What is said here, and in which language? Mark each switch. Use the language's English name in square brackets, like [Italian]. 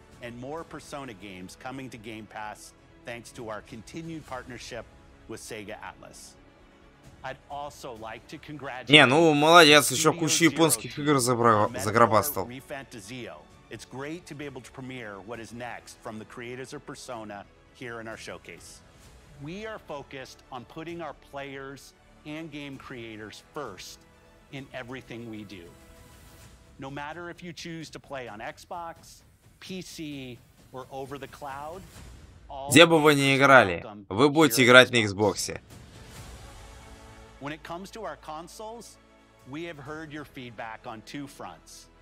[English] And more Persona games coming to Game Pass thanks to our continued partnership with Sega Atlas. I'd also like to congratulate. [Russian] Не, ну молодец, еще куча японских игр заграбастал. [English] It's great to be able to premiere what is next from the creators of Persona here in our showcase. We are focused on putting our players and game creators first in everything we do. No matter if you choose to play on Xbox, PC or over the cloud. [Russian] Где бы вы ни играли, вы будете играть на Xbox. [English] When it comes to our consoles, we have heard your feedback on two fronts.